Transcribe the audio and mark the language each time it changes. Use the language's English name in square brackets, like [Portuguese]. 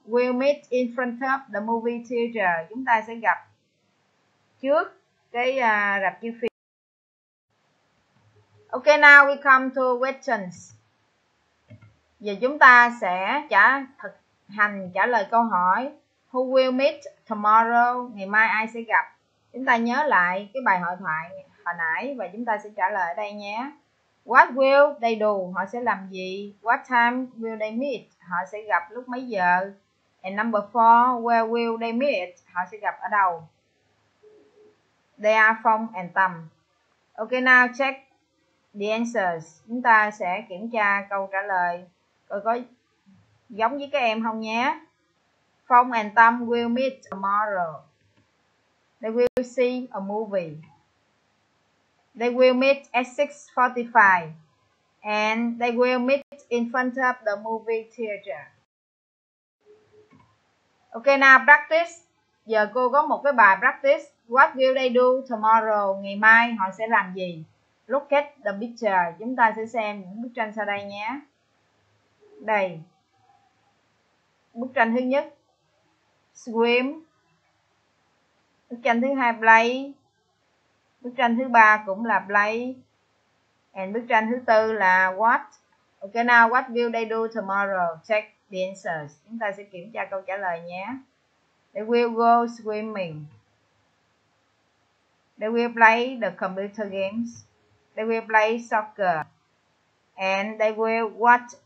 [English] Will meet in front of the movie theater. [Vietnamese] Chúng ta sẽ gặp trước cái rạp chiếu phim. Ok now we come to questions. Giờ chúng ta sẽ trả lời câu hỏi who will meet tomorrow, ngày mai ai sẽ gặp. Chúng ta nhớ lại cái bài hội thoại hồi nãy và chúng ta sẽ trả lời ở đây nhé. What will they do, họ sẽ làm gì? What time will they meet, họ sẽ gặp lúc mấy giờ? [English] And number 4, where will they meet, họ sẽ gặp ở đâu? They are Phong and Tâm. Ok now check the answers. [Vietnamese] Chúng ta sẽ kiểm tra câu trả lời. Coi có giống với các em không nhé. [English] Phong and Tâm will meet tomorrow. They will see a movie. They will meet at 6:45. And they will meet in front of the movie theater. Ok now practice. [Vietnamese] Giờ cô có một cái bài practice. What will they do tomorrow? Ngày mai họ sẽ làm gì? Look at the picture. Chúng ta sẽ xem những bức tranh sau đây nhé. Đây. Bức tranh thứ nhất. Swim. Bức tranh thứ hai. Play. Bức tranh thứ ba cũng là play. And bức tranh thứ tư là what? [English] Ok now, what will they do tomorrow? Check the answers. [Vietnamese] Chúng ta sẽ kiểm tra câu trả lời nhé. [English] They will go swimming. They will play the computer games. They will play soccer. And they will watch